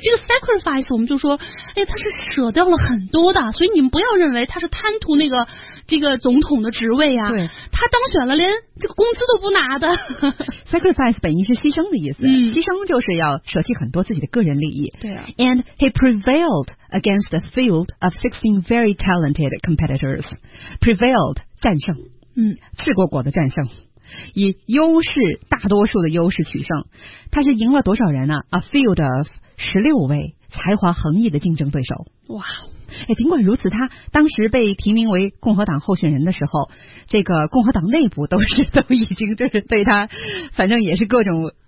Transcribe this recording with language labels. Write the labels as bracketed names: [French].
[Chinese] 这个 sacrifice 我们就说，哎呀，他是舍掉了很多的，所以你们不要认为他是贪图那个这个总统的职位啊。对，他当选了连这个工资都不拿的。 Sacrifice 本意是牺牲的意思，牺牲就是要舍弃很多自己的个人利益。对啊。 [English] And he prevailed against a field of 16 very talented competitors. [Chinese] Prevailed 战胜，赤果果的战胜，以优势大多数的优势取胜。他是赢了多少人呢？ [English] A field of [Chinese] 16位才华横溢的竞争对手。哇，哎，尽管如此，他当时被提名为共和党候选人的时候，这个共和党内部都已经就是对他，反正也是各种